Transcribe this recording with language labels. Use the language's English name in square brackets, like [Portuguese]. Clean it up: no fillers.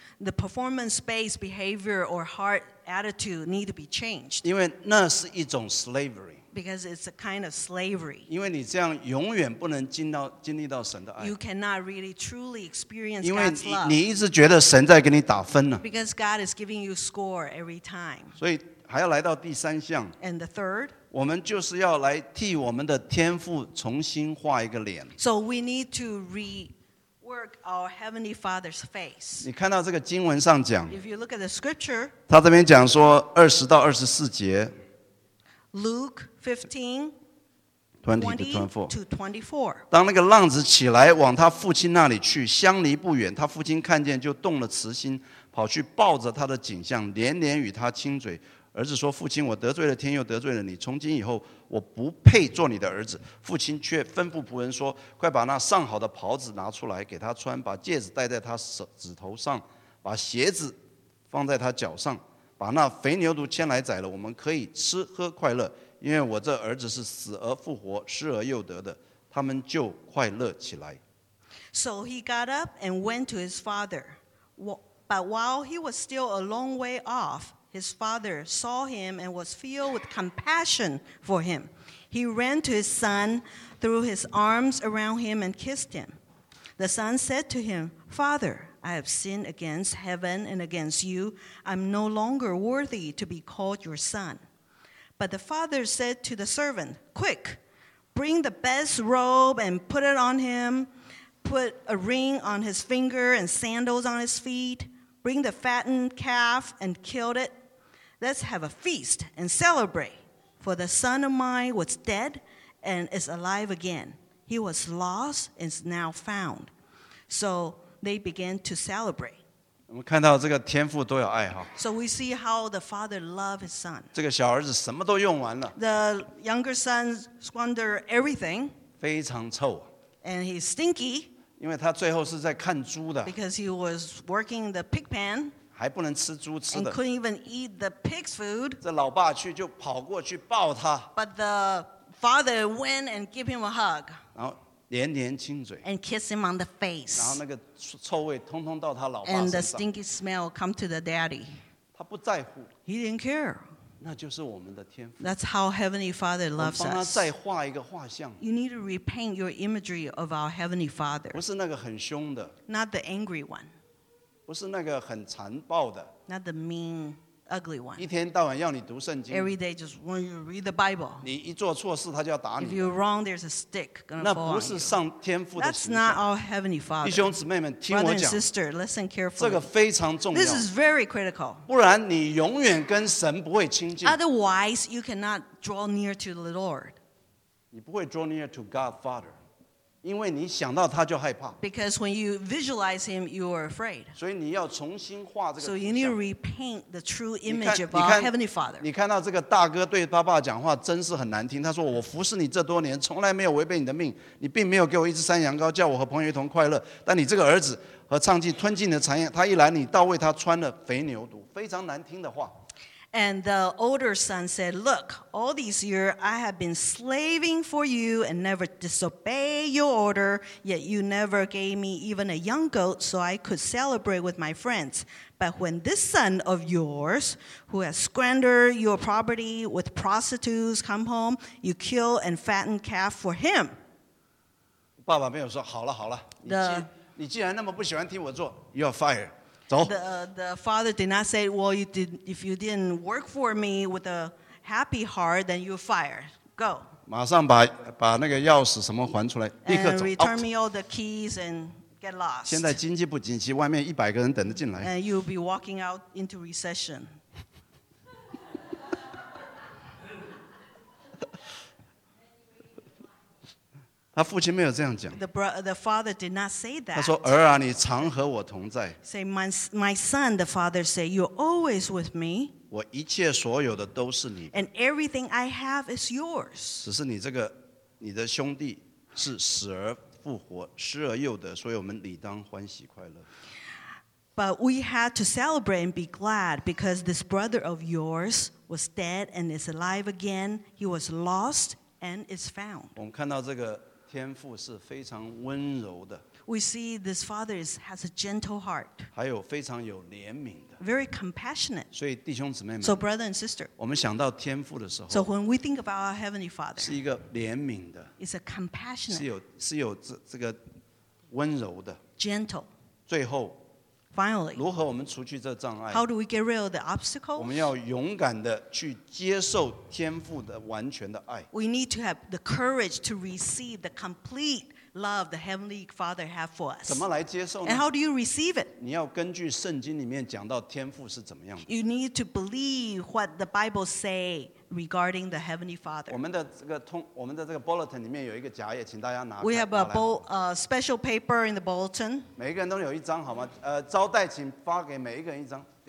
[English] The performance-based behavior or heart attitude need to be changed. [Chinese] 因为那是一种 slavery. [English] Because it's a kind of slavery. [Chinese] 因为你这样永远不能经历到神的爱。 [English] You cannot really truly experience God's love. [Chinese] 因为你一直觉得神在给你打分呢。 [English] Because God is giving you score every time. [Chinese] 所以还要来到第三项。 [English] And the third. [Chinese] 我们就是要来替我们的天父重新画一个脸。 [English] So we need to rework our Heavenly Father's face. [Chinese] 你看到这个经文上讲， [English] If you look at the scripture, [Chinese] 他这边讲说二十到二十四节。 [English] Luke 15, 20-24. [Chinese] 当那个浪子起来往他父亲那里去，相离不远，他父亲看见就动了慈心，跑去抱着他的颈项，连连与他亲嘴。儿子说，父亲，我得罪了天，又得罪了你，从今以后我不配做你的儿子。父亲却吩咐仆人说，快把那上好的袍子拿出来给他穿，把戒指戴在他指头上，把鞋子放在他脚上，把那肥牛犊牵来宰了，我们可以吃喝快乐，因为我这儿子是死而复活，失而又得的。他们就快乐起来。 [English] So he got up and went to his father, but while he was still a long way offHis father saw him and was filled with compassion for him. He ran to his son, threw his arms around him and kissed him. The son said to him, Father, I have sinned against heaven and against you. I'm no longer worthy to be called your son. But the father said to the servant, Quick, bring the best robe and put it on him. Put a ring on his finger and sandals on his feet. Bring the fattened calf and kill it. Let's have a feast and celebrate. For the son of mine was dead and is alive again. He was lost and is now found. So they began to celebrate. [Chinese] 我们看到这个天父都有爱哈。 [English] So we see how the father loved his son. [Chinese] 这个小儿子什么都用完了。 [English] The younger son squandered everything. [Chinese] 非常臭。 [English] And he's stinky. [Chinese] 因为他最后是在看猪的。 [English] Because he was working the pig pen. [Chinese] 还不能吃猪吃的。 [English] And couldn't even eat the pig's food. [Chinese] 这老爸去就跑过去抱他。 [English] But the father went and gave him a hug. [Chinese] 然后连连亲嘴。 [English] And kissed him on the face. [Chinese] 然后那个臭味通通到他老爸身上。 [English] And the stinky smell come to the daddy. [Chinese] 他不在乎。 [English] He didn't care. [Chinese] 那就是我们的天父。 [English] That's how Heavenly Father loves us. [Chinese] 我们帮他再画一个画像。 [English] You need to repaint your imagery of our Heavenly Father. [Chinese] 不是那个很凶的。 [English] Not the angry one. [Chinese] 不是那个很残暴的 [English] ，Not the mean, ugly one. [Chinese] 一天到晚要你读圣经 [English] ，Every day just when you read the Bible. [Chinese] 你一做错事，他就要打你。 [English] If you're wrong, there's a stick gonna fall on you. [Chinese] 那不是上天父的形象。 [English] That's not our heavenly father. [Chinese] 弟兄姊妹们，听我讲。 [English] Brother and sister, listen carefully. [Chinese] 这个非常重要。 [English] This is very critical. [Chinese] 不然你永远跟神不会亲近。 [English] Otherwise, you cannot draw near to the Lord. [Chinese] 你不会 [English] draw near to God Father. [Chinese] 因为你想到他就害怕。 [English] Because when you visualize him, you are afraid. [Chinese] 所以你要重新画这个图像。 [English] So you need to repaint the true image of our Heavenly Father. [Chinese] 你看到这个大哥对爸爸讲话真是很难听。他说：“我服侍你这多年，从来没有违背你的命。你并没有给我一只山羊羔，叫我和朋友一同快乐。但你这个儿子和娼妓吞进你的产业，他一来，你倒为他穿了肥牛犊，非常难听的话。” [English] And the older son said, Look, all these years I have been slaving for you and never disobey your order, yet you never gave me even a young goat so I could celebrate with my friends. But when this son of yours, who has squandered your property with prostitutes, come home, you kill and fatten calf for him. [Chinese] 爸爸没有说，好了好了，你既然那么不喜欢听我做， [English] you're fired. The father did not say, well, if you didn't work for me with a happy heart, then you're fired. Go. [Chinese] 马上把那个钥匙什么还出来，立刻走。 [English] And return me all the keys and get lost. [Chinese] 现在经济不景气，外面一百个人等着进来。 [English] And you'll be walking out into recession. [Chinese] 他父亲没有这样讲。 [English] The father did not say that. [Chinese] 他说：“儿啊，你常和我同在。” [English] Say my son, the father say, you're always with me. [Chinese] 我一切所有的都是你。 [English] And everything I have is yours. [Chinese] 只是你的兄弟是死而复活，失而又得，所以我们理当欢喜快乐。 [English] But we had to celebrate and be glad because this brother of yours was dead and is alive again. He was lost and is found. [Chinese] 我们看到这个。天父是非常温柔的。 [English] We see this father has a gentle heart. [Chinese] 还有非常有怜悯的。 [English] Very compassionate. [Chinese] 所以弟兄姊妹们。 [English] So brother and sister. [Chinese] 我们想到天父的时候。 [English] So when we think about our heavenly father. [Chinese] 是一个怜悯的。 [English] It's a compassionate. [Chinese] 是有这个温柔的。 [English] Gentle. [Chinese] 最后。 [English] Finally, [Chinese] 如何我们除去这障碍? [English] How do we get rid of the obstacles? [Chinese] 我们要勇敢地去接受天父的完全的爱。 [English] We need to have the courage to receive the complete love the Heavenly Father has for us. [Chinese] 怎么来接受呢? [English] And how do you receive it? [Chinese] 你要根据圣经里面讲到天父是怎么样的。 [English] You need to believe what the Bible says regarding the Heavenly Father. [Chinese] 我们的这个 bulletin 里面有一个夹页, 请大家拿开, [English] we have a special paper in the bulletin. [Chinese] 每一个人都有一张好吗?招待, 请发给每一个人一张。